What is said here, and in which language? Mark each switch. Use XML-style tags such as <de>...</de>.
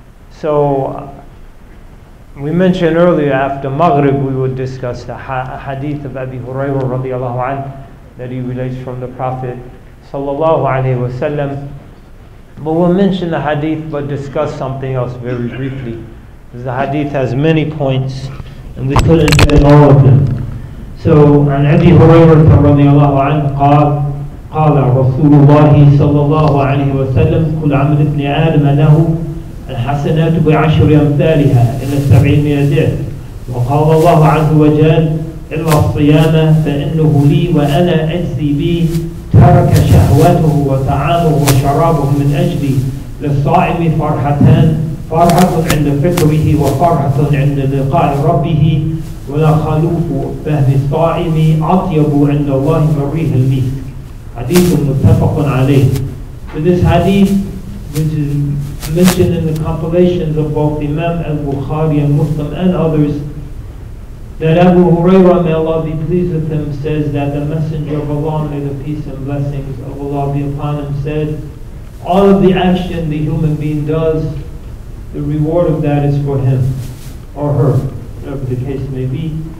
<en>So we mentioned earlier after Maghrib we would discuss the hadith of Abi Hurairah radiallahu anhu that he relates from the Prophet sallallahu alayhi wa sallam. But we'll mention the hadith but discuss something else very briefly. The hadith has many points and we couldn't fit all of them.</en> <ar>So, عن أبي هريرة رضي الله عنه قال قال رسول الله صلى الله عليه وسلم كل عمل ابن آدم له الحسنات بعشر أمثالها إلى السبعين مئة. وقال الله عز وجل إلا الصيام فإنه لي وأنا أجزي به ترك شهوته وطعامه وشرابه من أجلي للصائم فرحتان فرحة عند فطره وفرحة عند لقاء ربه ولا خلوف فهم الصائم أطيب عند الله من ريح المسك. حديث متفق عليه.</ar> <en>So this hadith, which is mentioned in the compilations of both Imam al-Bukhari and Muslim and others, that Abu Hurairah, may Allah be pleased with him, says that the Messenger of Allah, may the peace and blessings of Allah be upon him, said, all of the action the human being does, the reward of that is for him or her, whatever the case may be.</en>